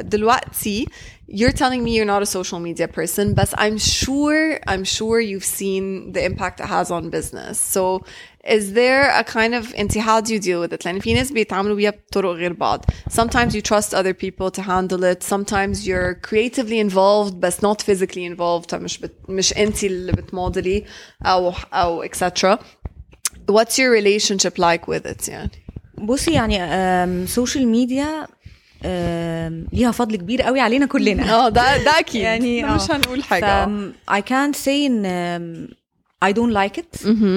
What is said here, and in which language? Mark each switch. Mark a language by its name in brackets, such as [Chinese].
[Arabic] دلوقتي [English] you're telling me you're not a social media person, but I'm sure you've seen the impact it has on business. So is there a kind of [Arabic] انت [English] how do you deal with it? [Arabic] لان في ناس بيتعاملوا بيها بطرق غير بعض. [English] Sometimes you trust other people to handle it. Sometimes you're creatively involved but not physically involved. [Arabic] مش انت اللي بتمودلي او etc. [English] What's your relationship like with it? [Arabic] بصي يعني social media ليها فضل كبير قوي علينا كلنا. ده اكيد. يعني مش هنقول حاجة. [English] I can't say [Arabic] ان [English] I don't like it.